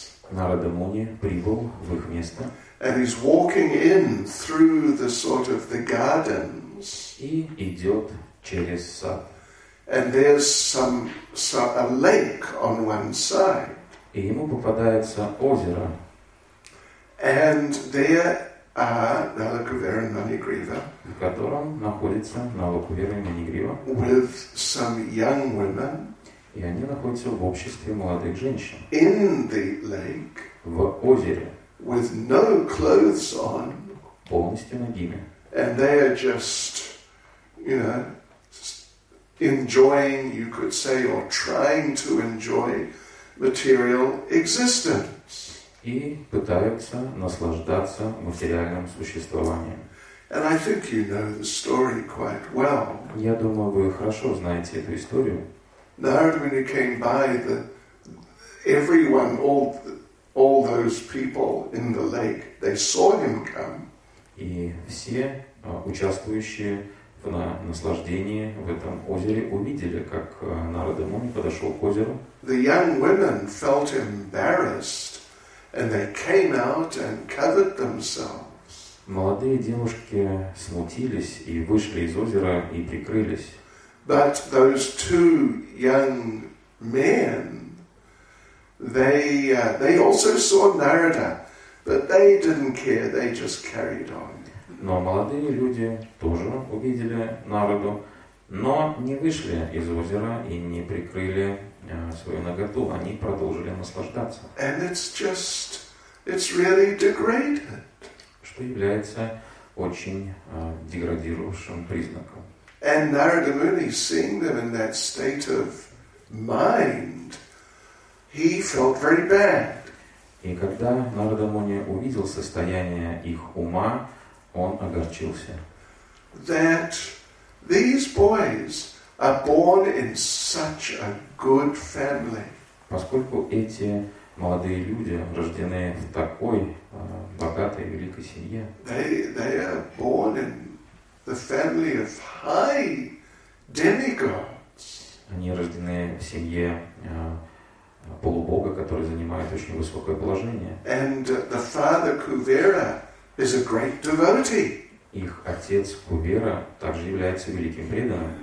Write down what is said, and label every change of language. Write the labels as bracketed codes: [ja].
[ru] Нарада Муни прибыл в их место. [en] And he's walking in through the sort of the gardens. [ru] И идет через сад. [en] And there's some a lake on one side. [ru] И ему попадается озеро. [en] And there are Nalakuvera and Manigriva. [ru] В котором находится Налакувера и Манигрива. [en] With some young women. [ru] И они находятся в обществе молодых женщин. [en] In the lake. [ru] В озере. [en] With no clothes on. [ru] Полностью нагими. [en] And they are just, you know, enjoying, you could say, or trying to enjoy material existence. [ru] И пытаются наслаждаться материальным существованием. [en] And I think you know the story quite well. [ru] Я думаю, вы хорошо знаете эту историю. [en] Narada Muni came by, everyone, all those people in the lake, they saw him come. [ru] И все участвующие в наслаждении в этом озере увидели, как Нарада Муни подошел к озеру. [en] The young women felt embarrassed, and they came out and covered themselves. [ru] Молодые девушки смутились и вышли из озера и прикрылись. [en] But those two young men, they also saw Narada, but they didn't care. They just carried on. [ru] Но молодые люди тоже увидели Нараду, но не вышли из озера и не прикрыли свою наготу. Они продолжили наслаждаться. [en] And it's really degraded. [ru] Что является очень деградирующим признаком. [en] And Narada Muni, seeing them in that state of mind, he felt very bad. [ru] И когда Нарада Муни увидел состояние их ума, он огорчился. [en] That these boys are born in such a good family. [ru] Поскольку эти молодые люди рождены в такой богатой великой семье. [en] They are born in the family of high demigods. [ru] Они рождены в семье полубога, который занимает очень высокое положение. [en] And the father Kuvera is a great devotee. [ru] Их отец Кувера также является великим преданным.